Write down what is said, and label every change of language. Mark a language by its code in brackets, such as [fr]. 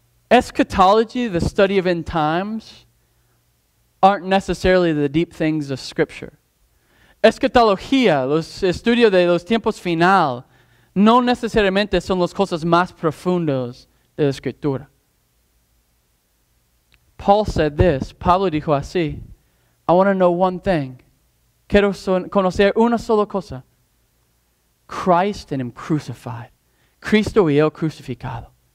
[en] Eschatology, the study of end times, aren't necessarily the deep things of scripture. [es] Eschatología, los estudios de los tiempos final, no necesariamente son las cosas más profundas de la escritura. [en] Paul said this, [es] Pablo dijo así, [en] I want to know one thing. [es] Quiero conocer una sola cosa. [en] Christ and Him crucified. [es] Cristo y Él crucificado.